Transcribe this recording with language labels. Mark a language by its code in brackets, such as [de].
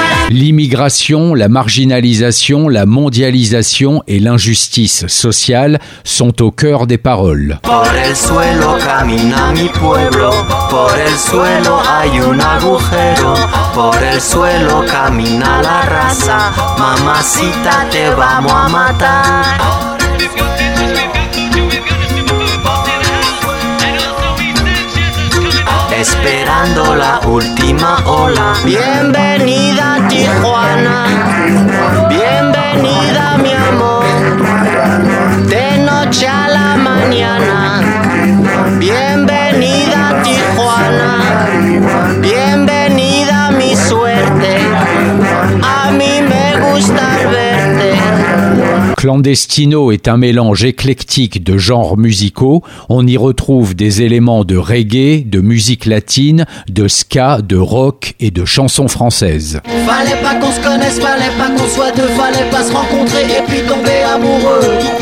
[fr] L'immigration, la marginalisation, la mondialisation et l'injustice sociale sont au cœur des paroles. [es] Por el suelo camina mi pueblo, por el suelo hay un agujero, por el suelo camina la raza, mamacita te vamos a matar. Esperando la última ola. Bienvenida a Tijuana, bienvenida mi amor, de noche a la mañana. Bienvenida a Tijuana, bienvenida mi suerte, a mí me gusta verte. [fr] Clandestino est un mélange éclectique de genres musicaux. On y retrouve des éléments de reggae, de musique latine, de ska, de rock et de chansons françaises. Fallait pas qu'on se connaisse, fallait pas qu'on soit deux, fallait pas se rencontrer et puis tomber amoureux.